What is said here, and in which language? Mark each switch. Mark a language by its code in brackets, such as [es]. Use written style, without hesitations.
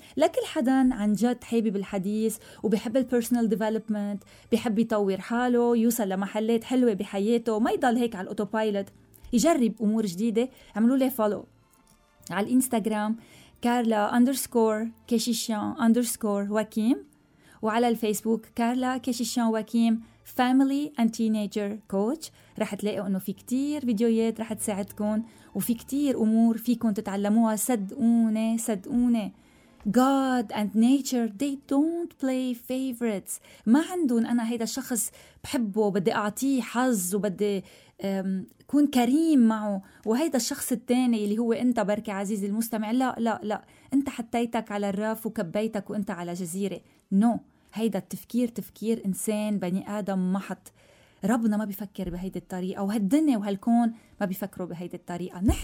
[ar] لكل حدا عن جد حابب الحديث وبيحب البيرسونال ديفلوبمنت، بيحب يطور حاله يوصل لمحلات حلوة بحياته وما يضل هيك على الأوتوبايلت، يجرب أمور جديدة، عملوا لي فولو على الإنستغرام كارلا أندرسكور كيشيشان أندرسكور وكيم، وعلى الفيسبوك كارلا كيشيشان وكيم Family and Teenager Coach. رح تلاقوا انه في كتير فيديوهات رح تساعدكم وفي كتير امور فيكم تتعلموها. صدقوني صدقوني [en] God and Nature they don't play favorites. [ar] ما عندهم انا هيدا الشخص بحبه بدي اعطيه حظ وبدي كون كريم معه وهيدا الشخص التاني اللي هو انت بركة عزيزي المستمع، لا لا لا، انت حطيتك على الراف وكبيتك وانت على جزيرة. [en] No. [ar] هيدا التفكير تفكير إنسان بني آدم محط، ربنا ما بيفكر بهيدي الطريقة وهالدنيا وهالكون ما بيفكروا بهيدي الطريقة.